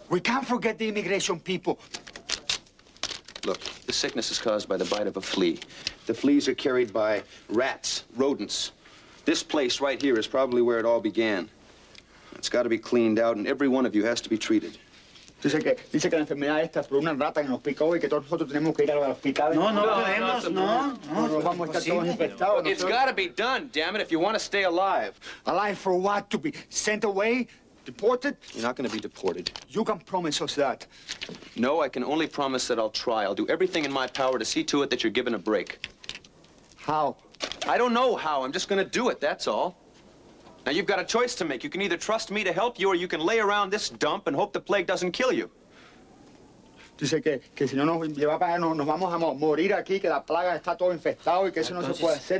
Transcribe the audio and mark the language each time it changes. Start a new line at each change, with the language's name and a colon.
English: We can't forget the immigration people. Look, the sickness is caused by the bite of a flea. The fleas are carried by rats, rodents. This place right here is probably where it all began. It's got to be cleaned out, and every one of you has to be treated.
Spanish: Dice que la enfermedad esta es por una rata que nos picó y que todos nosotros tenemos que ir al hospital. No, vamos a estar todos infectados.
English: It's got to be done, damn it, if you want to stay alive. Alive for what? To be sent away? Deported? You're not going to be deported. You can promise us that. No, I can only promise that I'll try. I'll do everything in my power to see to it that you're given a break. How? I don't know how. I'm just going to do it, that's all. Now, you've got a choice to make. You can either trust me to help you, or you can lay around this dump and hope the plague doesn't kill you.
Spanish: Dice que si no nos lleva para allá, nos vamos a morir aquí, que la plaga está todo infectado y que eso no se puede hacer.